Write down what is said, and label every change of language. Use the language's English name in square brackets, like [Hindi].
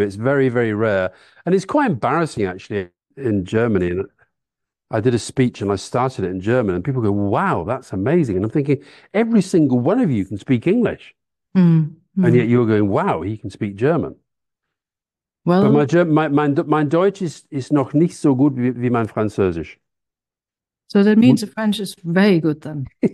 [English] It's very, very rare, and it's quite embarrassing actually in Germany. I did a speech and I started it in German and people go, wow, that's amazing. And I'm thinking, every single one of you can speak English. Mm-hmm. And yet you're going, wow, he can speak German. Well, [German] but mein Deutsch ist noch nicht so gut wie mein Französisch. [English] So that means the French is very good then.